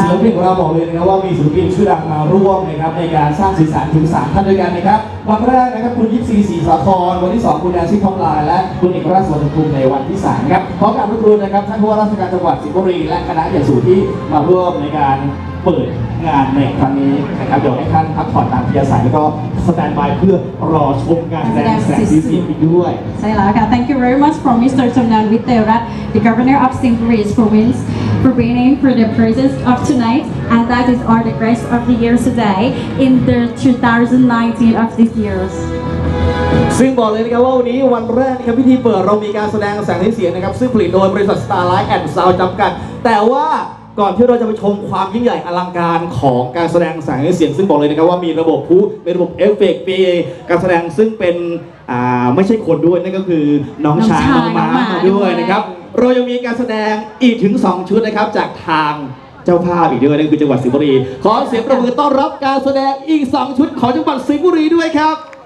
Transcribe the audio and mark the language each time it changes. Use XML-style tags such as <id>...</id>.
<th>ศิลปินของเราบอกเลยนะครับว่ามีศิลปินชื่อดังมาร่วมนะครับในการสร้างสีสันถึง3ท่านด้วยกันนะครับวันแรกนะครับคุณยิปซีศรีสาครวันที่2คุณแดนซี่พองลายและคุณเอกราชสวนภูมิในวันที่3ครับขอกราบขอบคุณนะครับท่านผู้ว่าราชการจังหวัดสิงห์บุรีและคณะอย่างสูงที่มาร่วมในการเปิดงานในครั้งนี้นะครับเดี๋ยวให้ท่านพักผ่อนตามที่อาศัยแล้วก็สแตนบายเพื่อรอชมงานแสงสีเสียงอีกด้วย ใช่แล้วค่ะ</th> <en>Thank you very much for Mr. Chamlan Vitthera the governor of Singhburi province for winning for the prizes of tonight and that is all the prize of the year today in the 2019 of this year</en> <th>ซึ่งบอกเลยนะครับว่าวันนี้วันแรกครับพิธีเปิดเรามีการแสดงแสงสีเสียงนะครับซึ่งผลิตโดยบริษัท Starlight and Sound จำกัดแต่ว่าก่อนที่เราจะไปชมความยิ่งใหญ่อลังการของการแสดงแสงและเสียงซึ่งบอกเลยนะครับว่ามีระบบผู้เป็นระบบเอฟเฟกต์ PA การแสดงซึ่งเป็นไม่ใช่คนด้วยนั่นก็คือน้องช้างน้องม้าด้วยนะครับเรายังมีการแสดงอีกถึง2ชุดนะครับจากทางเจ้าภาพอีกด้วยนั่นคือจังหวัดสิงห์บุรีขอเสียงปรบมือต้อนรับการแสดงอีก2ชุดของจังหวัดสิงห์บุรีด้วยครับ</th>